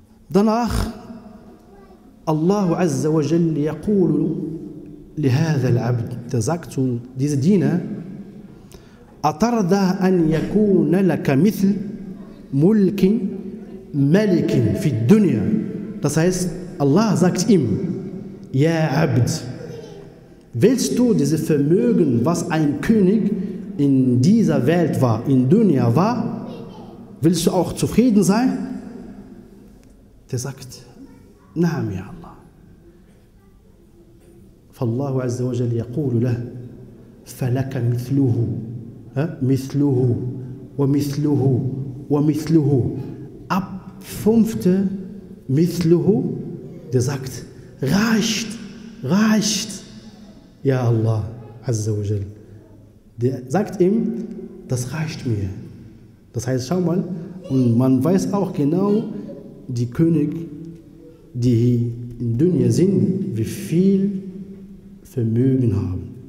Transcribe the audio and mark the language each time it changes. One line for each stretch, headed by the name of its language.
Arabic: Danach, Allah Azza wa Jalla يقول لهذا العبد,
German: der sagt zu diesem Diener,
Arabic: أترضى أن يكون لك مثل ملك ملك في الدنيا.
German: Das heißt, Allah sagt ihm, ja Abd, willst du dieses Vermögen, was ein König in dieser Welt war, in Dunya war, willst du auch zufrieden sein? Der sagt, naam ya Allah.
Arabic: فالله عز وجل يقول له فلك مثله مثله ومثله ومثله
German: ab 5. مثله, der sagt, reicht, reicht, ja Allah, Azza wa Jal. Der sagt ihm, das reicht mir. Das heißt, schau mal, und man weiß auch genau, die König, die hier in Dunya sind, wie viel Vermögen haben.